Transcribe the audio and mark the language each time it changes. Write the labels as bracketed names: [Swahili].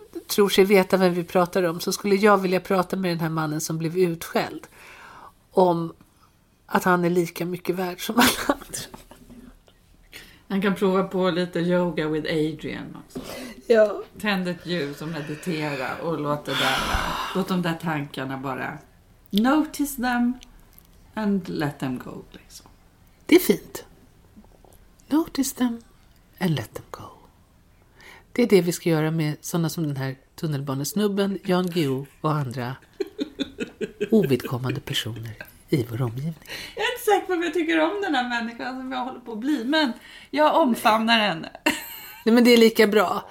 [Swedish] tror sig veta vem vi pratar om, så skulle jag vilja prata med den här mannen som blev utskälld om att han är lika mycket värd som alla andra. Han kan prova på lite yoga with Adrian också. Ja. Tänd ett ljus och meditera och låt det där, låt de där tankarna bara [English] notice them and let them go [Swedish] liksom. Det är fint. [English] Notice them and let them go. [Swedish] Det är det vi ska göra med sådana som den här tunnelbanesnubben, Jan Geo och andra ovidkommande personer i vår omgivning. Jag är inte säker på om jag tycker om den här människan som jag håller på att bli, men jag omfamnar henne. Nej, men det är lika bra.